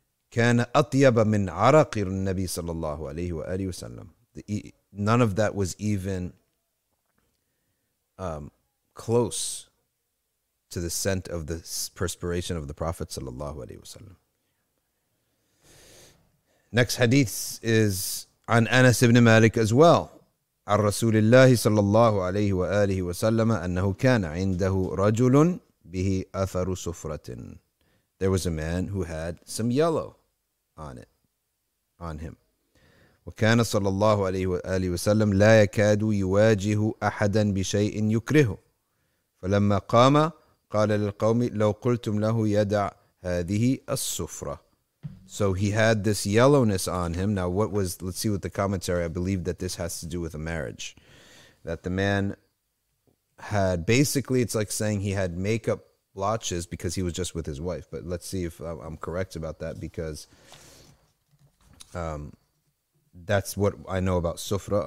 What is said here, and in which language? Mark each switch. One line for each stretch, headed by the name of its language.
Arabic: كان أطيب من عرق النبي صلى الله عليه وآله وسلم.
English: None of that was even close to the scent of the perspiration of the Prophet
Arabic: صلى الله عليه وسلم.
English: Next hadith is
Arabic: عن أنس بن مالك
English: as well.
Arabic: عن رسول الله صلى الله عليه وآله وسلم أنه كان عنده رجل به أثر سفرة.
English: There was a man who had some yellow on him.
Arabic: وكان صلى الله عليه وآله وسلم لا يكاد يواجه أحدا بشيء يكرهه. فلما قام قال للقوم لو قلتم له يدع هذه السفرة.
English: So he had this yellowness on him. Now what was, let's see what the commentary, I believe that this has to do with a marriage. That the man had, basically it's like saying he had makeup blotches because he was just with his wife. But let's see if I'm correct about that, because that's what I know about sufra.